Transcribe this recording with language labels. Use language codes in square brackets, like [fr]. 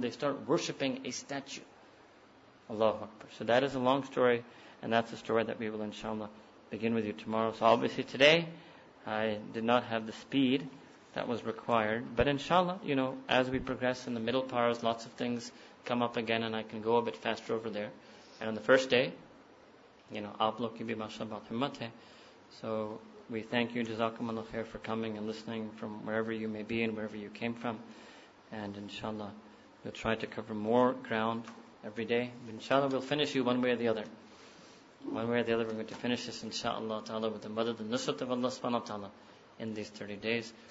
[en] They start worshipping a statue. Allahu Akbar. So that is a long story, and that's a story that we will, inshallah, begin with you tomorrow. So obviously today, I did not have the speed that was required. But inshallah, you know, as we progress in the middle powers, lots of things come up again and I can go a bit faster over there. And on the first day, you know, [ur] آپ لوگ کی بھی ماشاءاللہ ہمت ہے۔ [en] So we thank you, Jazakumullah khair, for coming and listening from wherever you may be and wherever you came from. And inshallah, we'll try to cover more ground every day. Inshallah, we'll finish you one way or the other. One way or the other, we're going to finish this, inshallah ta'ala, with the madad and nusrat of Allah subhanahu wa ta'ala in these 30 days.